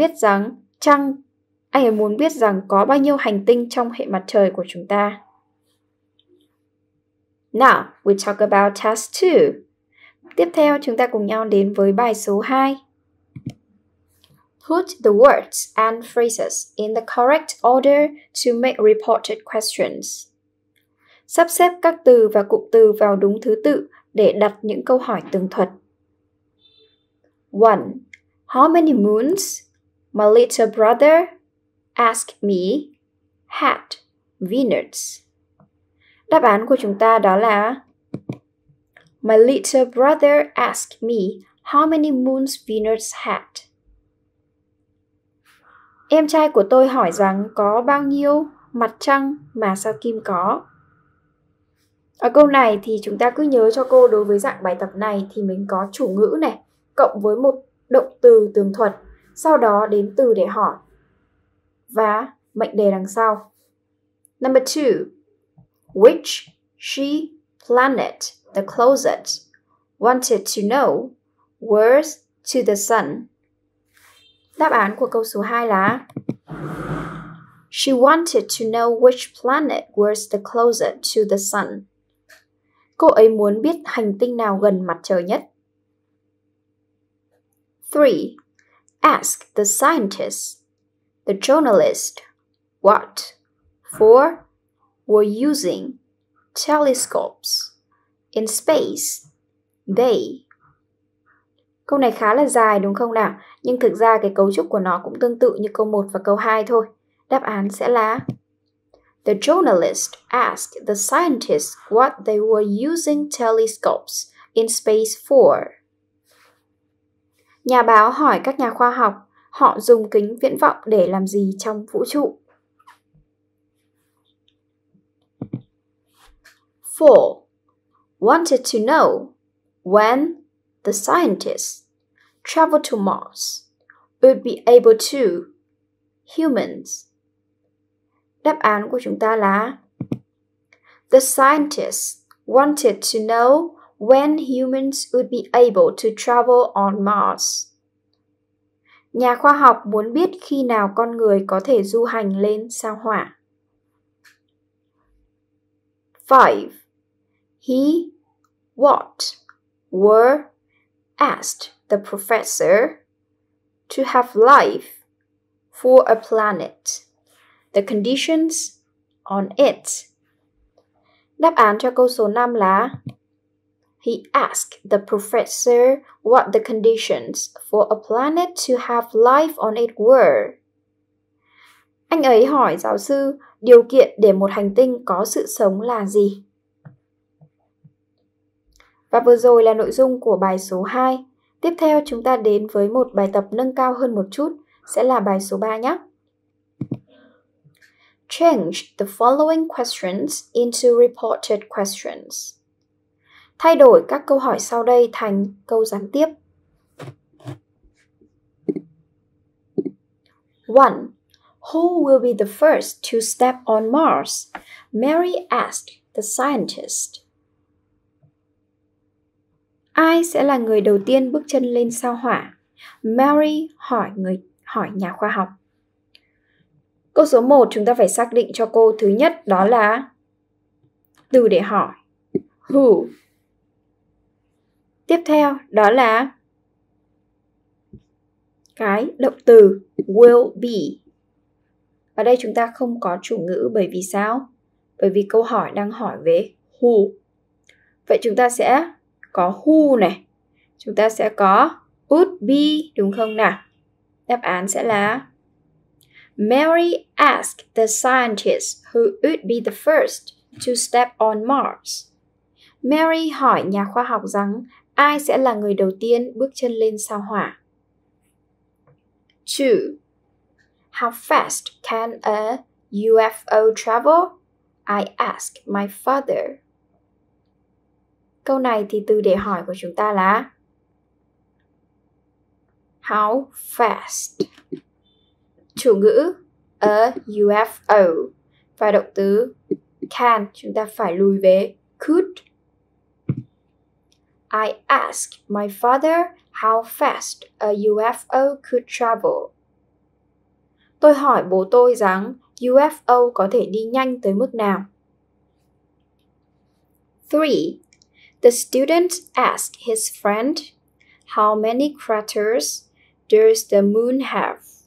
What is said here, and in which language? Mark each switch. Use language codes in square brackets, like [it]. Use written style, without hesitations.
[vi] Anh ấy muốn biết rằng có bao nhiêu hành tinh trong hệ mặt trời của chúng ta. [en] Now, we talk about task 2. [vi] Tiếp theo, chúng ta cùng nhau đến với bài số 2. [en] Put the words and phrases in the correct order to make reported questions. [vi] Sắp xếp các từ và cụm từ vào đúng thứ tự để đặt những câu hỏi tường thuật. [en] 1. How many moons? My little brother asked me. Had Venus. [vi] Đáp án của chúng ta đó là [en] My little brother asked me how many moons Venus had. [vi] Em trai của tôi hỏi rằng có bao nhiêu mặt trăng mà sao Kim có. Ở câu này thì chúng ta cứ nhớ cho cô đối với dạng bài tập này thì mình có chủ ngữ này, cộng với một động từ tường thuật, sau đó đến từ để hỏi và mệnh đề đằng sau. [en] Number 2. Which she planet the closet wanted to know was to the sun? [vi] Đáp án của câu số 2 là [en] She wanted to know which planet was the closet to the sun. [vi] Cô ấy muốn biết hành tinh nào gần mặt trời nhất. [en] 3. Ask the scientist, the journalist, what for were using telescopes in space, they. [vi] Câu này khá là dài đúng không nào? Nhưng thực ra cái cấu trúc của nó cũng tương tự như câu 1 và câu 2 thôi. Đáp án sẽ là [en] The journalist asked the scientists what they were using telescopes in space for. [vi] Nhà báo hỏi các nhà khoa học họ dùng kính viễn vọng để làm gì trong vũ trụ. [en] 4. Wanted to know when the scientists travel to Mars would be able to humans. [vi] Đáp án của chúng ta là [en] The scientists wanted to know when humans would be able to travel on Mars. [vi] Nhà khoa học muốn biết khi nào con người có thể du hành lên sao Hỏa. [en] 5. He what were, asked the professor, to have life for a planet, the conditions on it. [vi] Đáp án cho câu số 5 là [en] He asked the professor what the conditions for a planet to have life on it were. [vi] Anh ấy hỏi giáo sư điều kiện để một hành tinh có sự sống là gì. Và vừa rồi là nội dung của bài số 2. Tiếp theo chúng ta đến với một bài tập nâng cao hơn một chút, sẽ là bài số 3 nhé. [en] Change the following questions into reported questions. [vi] Thay đổi các câu hỏi sau đây thành câu gián tiếp. [en] 1. Who will be the first to step on Mars? Mary asked the scientist. [vi] Ai sẽ là người đầu tiên bước chân lên sao Hỏa? Mary hỏi người hỏi nhà khoa học. Câu số 1 chúng ta phải xác định cho cô thứ nhất đó là từ để hỏi. Who? Tiếp theo đó là cái động từ will be. Ở đây chúng ta không có chủ ngữ bởi vì sao? Bởi vì câu hỏi đang hỏi về who. Vậy chúng ta sẽ có who này. Chúng ta sẽ có would be, đúng không nào? Đáp án sẽ là [en] Mary asked the scientist who would be the first to step on Mars. [vi] Mary hỏi nhà khoa học rằng ai sẽ là người đầu tiên bước chân lên sao Hỏa? [en] 2. How fast can a UFO travel? I ask my father. [vi] Câu này thì từ để hỏi của chúng ta là [en] How fast? [vi] Chủ ngữ a UFO và động từ can chúng ta phải lùi về could. [en] I ask my father how fast a UFO could travel. [vi] Tôi hỏi bố tôi rằng UFO có thể đi nhanh tới mức nào. [en] 3. The student asked his friend, how many craters does the moon have?